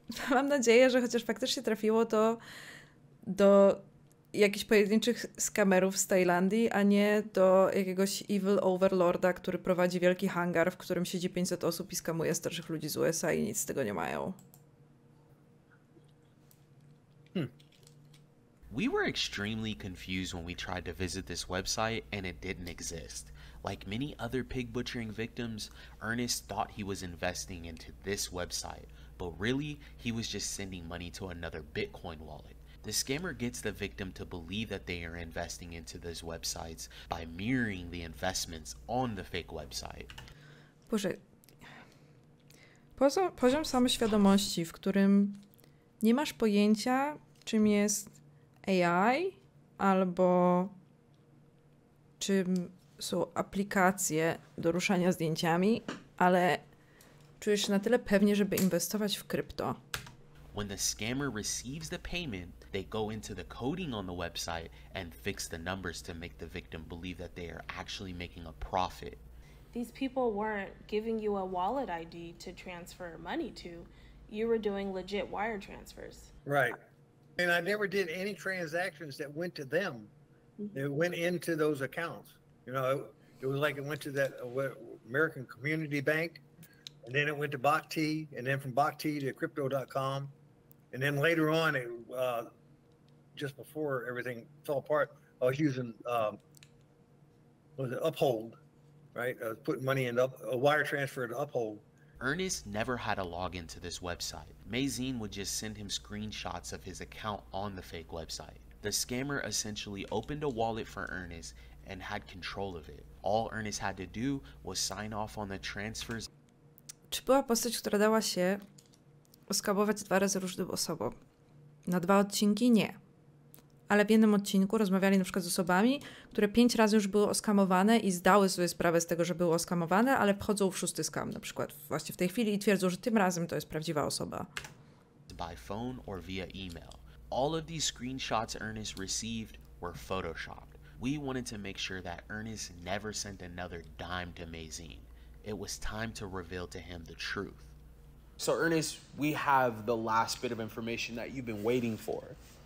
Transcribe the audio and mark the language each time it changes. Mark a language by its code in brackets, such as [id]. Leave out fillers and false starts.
[pl] Mam nadzieję, że chociaż faktycznie trafiło to do jakichś pojedynczych skamerów z Tajlandii, a nie do jakiegoś evil overlorda, który prowadzi wielki hangar, w którym siedzi 500 osób i skamuje starszych ludzi z USA i nic z tego nie mają. [en] We were extremely confused when we tried to visit this website and it didn't exist. Like many other pig butchering victims, Ernest thought he was investing into this website, but really, he was just sending money to another Bitcoin wallet. The scammer gets the victim to believe that they are investing into those websites by mirroring the investments on the fake website. [pl] Boże, poziom samoświadomości, w którym nie masz pojęcia, czym jest AI, albo czym są aplikacje do ruszania zdjęciami, ale czujesz się na tyle pewnie, żeby inwestować w krypto. [en] When the scammer receives the payment, they go into the coding on the website and fix the numbers to make the victim believe that they are actually making a profit. These people weren't giving you a wallet ID to transfer money to. You were doing legit wire transfers. Right. And I never did any transactions that went to them. It went into those accounts. You know, it was like it went to that American Community Bank, and then it went to Bakhti, and then from Bakhti to crypto.com. And then later on, it, just before everything fell apart, I was using, Uphold, right? I was putting money in a wire transfer to Uphold. Ernest never had a login to this website. Mazine would just send him screenshots of his account on the fake website. The scammer essentially opened a wallet for Ernest and had control of it. All Ernest had to do was sign off on the transfers. [pl] Czy była postać, która dała się oskabować dwa razy różnym osobom? Na dwa odcinki nie. Ale w jednym odcinku rozmawiali na przykład z osobami, które pięć razy już były oskamowane i zdały sobie sprawę z tego, że były oskamowane, ale wchodzą w szósty skam na przykład właśnie w tej chwili i twierdzą, że tym razem to jest prawdziwa osoba. [en] By phone or via email. All of these screenshots Ernest received were photoshopped. We wanted to make sure that Ernest never sent another dime to Mazine. It was time to reveal to him the truth. So Ernest, we have the last bit of information that you've been waiting for.